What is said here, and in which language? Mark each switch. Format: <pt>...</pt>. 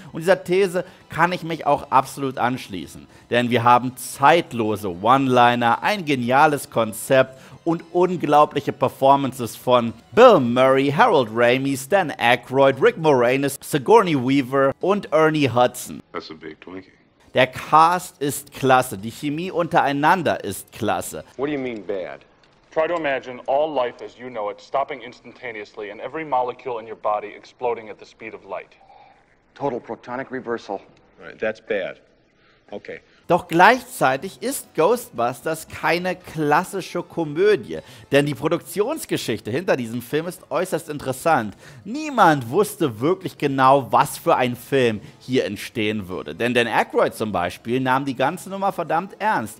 <de>Und dieser These kann ich mich auch absolut anschließen. Denn wir haben zeitlose One-Liner, ein geniales Konzept und unglaubliche Performances von Bill Murray, Harold Ramis, Dan Aykroyd, Rick Moranis, Sigourney Weaver und Ernie Hudson. That's a big Twinkie. Der Cast ist klasse, die Chemie untereinander ist klasse.</de> <en>What do you mean bad? Try to imagine all life as you know it stopping instantaneously and every molecule in your body exploding at the speed of light. Total protonic reversal. Right, that's bad. Okay.</en> <de>Doch gleichzeitig ist Ghostbusters keine klassische Komödie, denn die Produktionsgeschichte hinter diesem Film ist äußerst interessant. Niemand wusste wirklich genau, was für ein Film hier entstehen würde, denn Dan Aykroyd zum Beispiel nahm die ganze Nummer verdammt ernst.</de>